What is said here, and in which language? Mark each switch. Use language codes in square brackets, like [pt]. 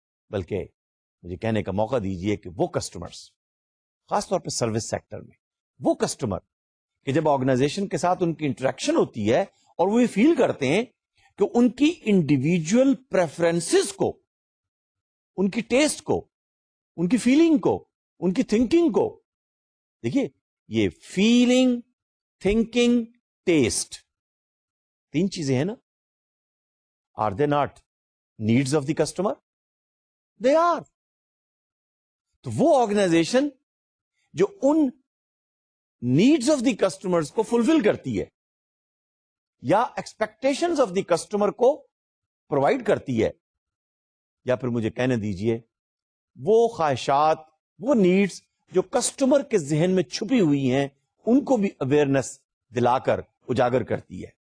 [ur] بلکہ مجھے کہنے کا موقع دیجئے کہ وہ کسٹمرز, خاص طور پہ سروس سیکٹر میں, وہ کسٹمر کہ جب آرگنائزیشن کے ساتھ ان کی انٹریکشن ہوتی ہے اور وہ یہ فیل کرتے ہیں کہ ان کی انڈیویجول پریفرنسز کو, ان کی ٹیسٹ کو, ان کی فیلنگ کو, ان کی تھنکنگ کو, دیکھیے یہ فیلنگ, تھنکنگ, ٹیسٹ, تین چیزیں ہیں نا. [en] Are they not needs of the customer? They are. [ur] تو وہ آرگنائزیشن جو ان نیڈز آف دی کسٹمرز کو فلفل کرتی ہے یا ایکسپیکٹیشنز آف دی کسٹمر کو پرووائڈ کرتی ہے, یا پھر مجھے کہنے دیجئے وہ خواہشات, وہ نیڈز جو کسٹمر کے ذہن میں چھپی ہوئی ہیں ان کو بھی اویئرنیس دلا کر اجاگر کرتی ہے.